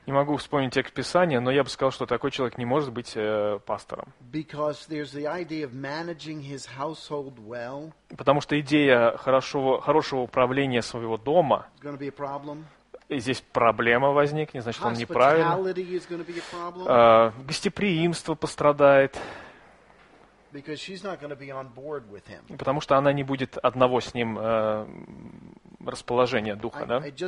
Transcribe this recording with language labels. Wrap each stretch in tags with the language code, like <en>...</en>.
<ru>Не могу вспомнить текст Писания, но я бы сказал, что такой человек не может быть пастором.</ru> <en>Because there's the idea of managing his household well.</en> <ru>Потому что идея хорошего управления своего дома.</ru> <en>It's going to be a problem.</en> <ru>И здесь проблема возникнет, значит, он неправильно. Гостеприимство пострадает. Потому что она не будет одного с ним расположения духа, да?</ru>